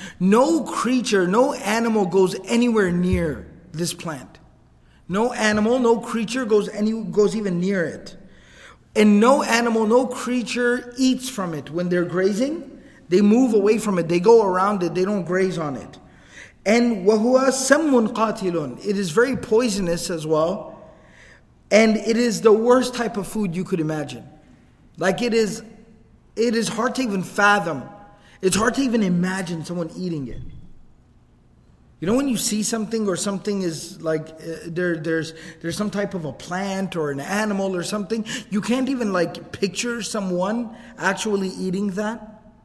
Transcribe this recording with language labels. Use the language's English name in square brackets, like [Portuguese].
[English] No creature, no animal goes anywhere near this plant. No animal, no creature goes even near it. And no animal, no creature eats from it. When they're grazing, they move away from it. They go around it. They don't graze on it. [Arabic] And وَهُوَ سَمٌّ قَاتِلٌ. [English] It is very poisonous as well. And it is the worst type of food you could imagine. Like it is hard to even fathom. It's hard to even imagine someone eating it. You know when you see something or something is like there's some type of a plant or an animal or something, you can't even like picture someone actually eating that.